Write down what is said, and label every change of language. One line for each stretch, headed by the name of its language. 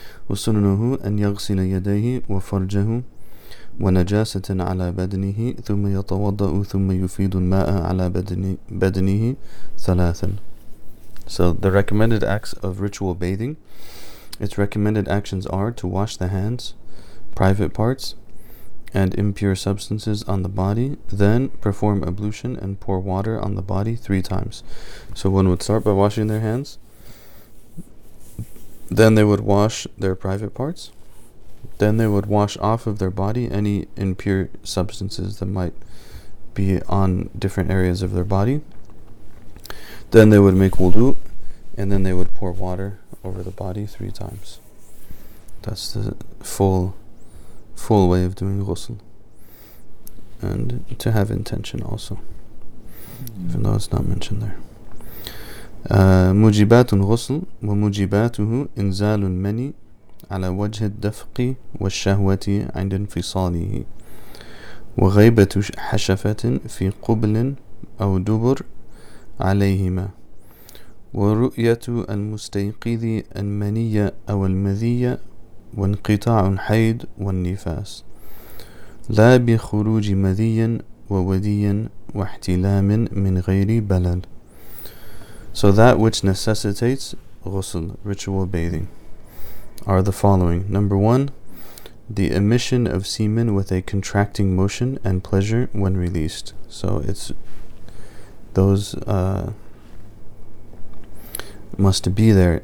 Arabic: وسننه أن يغسل يديه وفرجه ونجاسة على بدنه ثم يتوضأ ثم يفيد الماء على بدنه ثلاثا.
English: So the recommended acts of ritual bathing, its recommended actions are to wash the hands, private parts, and impure substances on the body, then perform ablution and pour water on the body three times. So one would start by washing their hands. Then they would wash their private parts. Then they would wash off of their body any impure substances that might be on different areas of their body. Then they would make wudu, and then they would pour water over the body three times. That's the full way of doing ghusl. And to have intention also, even though it's not mentioned there.
Arabic: مجبات الغسل ومجباته إنزال المني على وجه الدفق والشهوة عند انفصاله وغيبة حشفة في قبل أو دبر عليهما ورؤية المستيقظ المني أو المذية وانقطاع الحيض والنفاس لا بخروج مذي وودي واحتلام من غير بلل.
English: So that which necessitates ghusl, ritual bathing, are the following. Number one, the emission of semen with a contracting motion and pleasure when released. So it's those must be there.